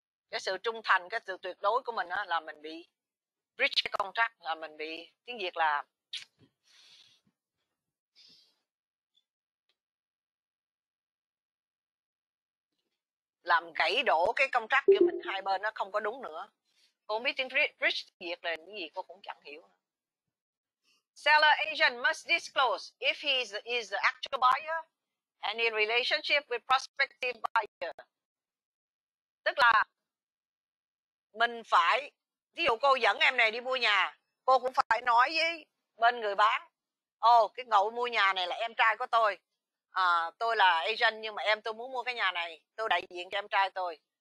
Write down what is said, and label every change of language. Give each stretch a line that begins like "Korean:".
Vietnamese: Cái sự trung thành, cái sự tuyệt đối của mình đó, là mình bị breach cái contract, là mình bị tiếng Việt là làm gãy đổ cái contract giữa mình hai bên, nó không có đúng nữa. Cô biết tiếng breach tiếng Việt là cái gì cô cũng chẳng hiểu.
English: Seller agent must disclose if he is the actual buyer and in relationship with prospective buyer.
Vietnamese: Tức là mình phải, ví dụ cô dẫn em này đi mua nhà, cô cũng phải nói với bên người bán, cái ngậu mua nhà này là em trai của tôi, tôi là agent nhưng mà tôi muốn mua cái nhà này, tôi đại diện cho em trai tôi.